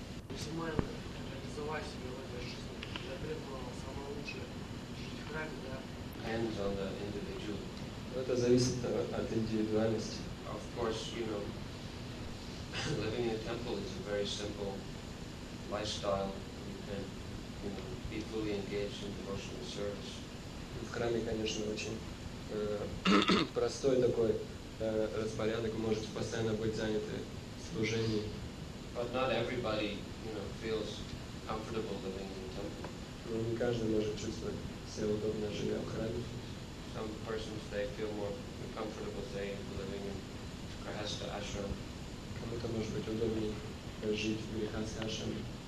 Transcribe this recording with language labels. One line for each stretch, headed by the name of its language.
Russian: Максимально реализовать себя в этой жизни, для преданного самое лучшее, жить в храме, да?
English: Depends on the individual.
Russian: Это зависит от индивидуальности.
English: Of course, you know, living in a temple is a very simple lifestyle. You can, you know, be fully engaged in devotional service.
Russian: В храме, конечно, очень простой такой распорядок. Вы можете постоянно быть заняты служением.
English: But not everybody, you know, feels comfortable living in a temple.
Russian: Но не каждый может чувствовать себя удобно, живя в храме.
English: Some persons, they feel more comfortable, say, living in Grihastha ashram.
Russian: Кому-то может быть удобнее жить в Грихасхи Ашраме.